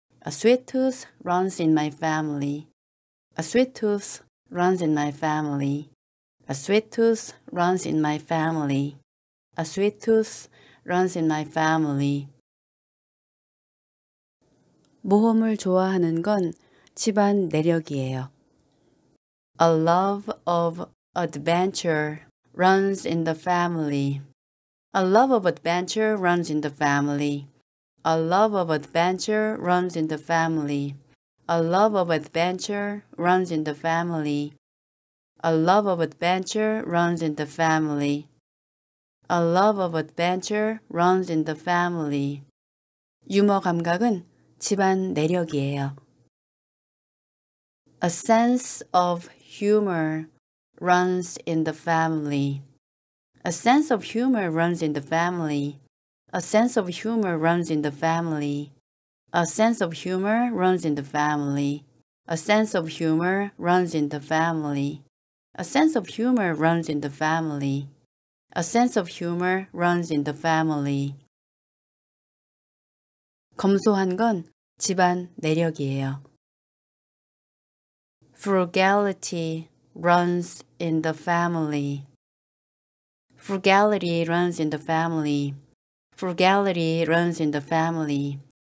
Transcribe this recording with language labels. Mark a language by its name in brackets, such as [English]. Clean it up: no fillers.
[English] A sweet tooth runs in my family. A sweet tooth runs in my family. A sweet tooth runs in my family. A sweet tooth runs in my family. [Korean] 모험을 좋아하는 건 집안 내력이에요. [English] A love of adventure runs in the family. A love of adventure runs in the family. A love of adventure runs in the family. A love of adventure runs in the family. A love of adventure runs in the family. A love of adventure runs in the family. [Korean] 유머감각은 집안 내력이에요. [English] A sense of humor runs in the family. A sense of humor runs in the family. A sense of humor runs in the family. A sense of humor runs in the family. A sense of humor runs in the family. A sense of humor runs in the family. A sense of humor runs in the family. [Korean] 검소한 건 집안 내력이에요. [English] Frugality runs in the family. Frugality runs in the family. Frugality runs in the family.